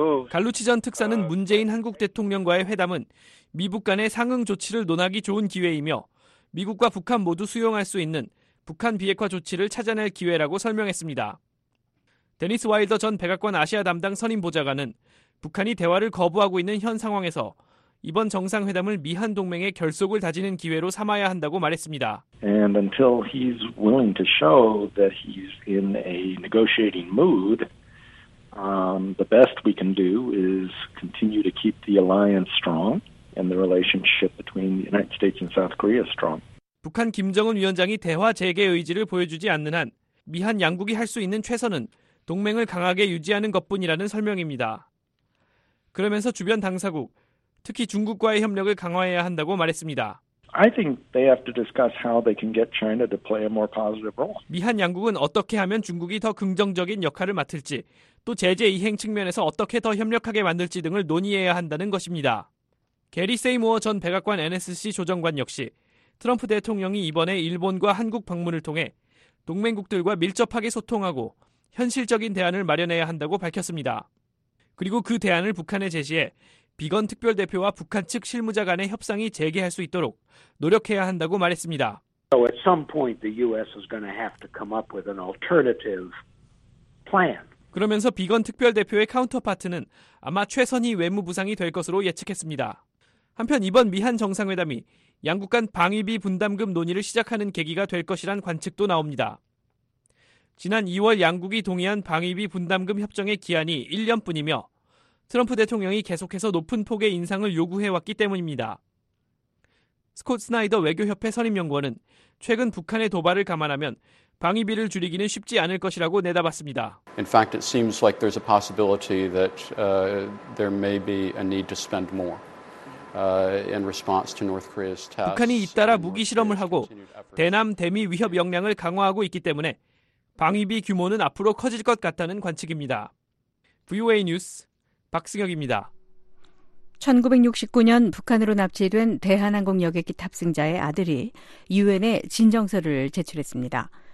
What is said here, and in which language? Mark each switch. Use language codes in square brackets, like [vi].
[ko] 갈루치 전 특사는 문재인 한국 대통령과의 회담은 미북 간의 상응 조치를 논하기 좋은 기회이며 미국과 북한 모두 수용할 수 있는 북한 비핵화 조치를 찾아낼 기회라고 설명했습니다. 데니스 와일더 전 백악관 아시아 담당 선임 보좌관은 북한이 대화를 거부하고 있는 현 상황에서 이번 정상회담을 미한 동맹의 결속을 다지는 기회로 삼아야 한다고 말했습니다. [en] And until he's willing to show that he's in a negotiating mood, the best we can do is continue to keep the alliance strong and the relationship between the United States and South Korea strong. [ko] 북한 김정은 위원장이 대화 재개 의지를 보여주지 않는 한 미한 양국이 할 수 있는 최선은 동맹을 강하게 유지하는 것뿐이라는 설명입니다. 그러면서 주변 당사국, 특히 중국과의 협력을 강화해야 한다고 말했습니다. [en] I think they have to discuss how they can get China to play a more positive role. [ko] 미한 양국은 어떻게 하면 중국이 더 긍정적인 역할을 맡을지, 또 제재 이행 측면에서 어떻게 더 협력하게 만들지 등을 논의해야 한다는 것입니다. 게리 세이모어 전 백악관 NSC 조정관 역시 트럼프 대통령이 이번에 일본과 한국 방문을 통해 동맹국들과 밀접하게 소통하고 현실적인 대안을 마련해야 한다고 밝혔습니다. 그리고 그 대안을 북한에 제시해 비건 특별대표와 북한 측 실무자 간의 협상이 재개할 수 있도록 노력해야 한다고 말했습니다. [en] So at some point the US is going to have to come up with an alternative plan. [ko] 그러면서 비건 특별대표의 카운터파트는 아마 최선희 외무부상이 될 것으로 예측했습니다. 한편 이번 미한 정상회담이 양국 간 방위비 분담금 논의를 시작하는 계기가 될 것이란 관측도 나옵니다. 지난 2월 양국이 동의한 방위비 분담금 협정의 기한이 1년뿐이며 트럼프 대통령이 계속해서 높은 폭의 인상을 요구해왔기 때문입니다. 스콧 스나이더 외교협회 선임연구원은 최근 북한의 도발을 감안하면 방위비를 줄이기는 쉽지 않을 것이라고 내다봤습니다. [en] In fact, it seems like there's a possibility that there may be a need to spend more. In response to North Korea's tests. [ko] 북한이 잇따라 무기 실험을 하고 대남 대미 위협 역량을 강화하고 있기 때문에 방위비 규모는 앞으로 커질 것 같다는 관측입니다. VOA 뉴스 박승혁입니다. 1969년 북한으로 납치된 대한항공 여객기 탑승자의 아들이 UN에 진정서를 제출했습니다.